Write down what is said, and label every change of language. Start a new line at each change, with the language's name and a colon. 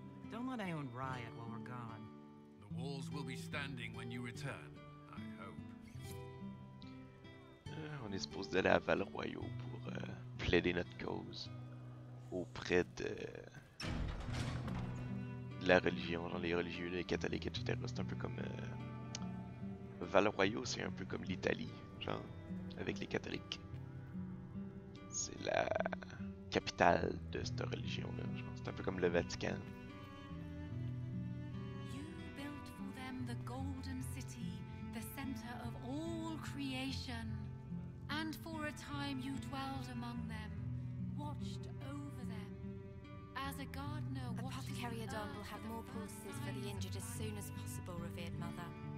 English: Don't let anyone riot while we're gone. The walls will be standing when you return, I hope.
French: On est supposé aller à Val Royeaux pour plaider notre cause auprès de la religion, genre les religieux, les catholiques, etc. C'est un peu comme Val Royeaux, c'est un peu comme l'Italie, genre, avec les catholiques. C'est la capitale de cette religion-là, genre. C'est un peu comme le Vatican.
English: You built for them the golden city, the center of all creation. And for a time you dwelled among them, watched over them. As a gardener watching earth... Apothecary Adon will have more pulses for the injured as soon as possible, revered mother.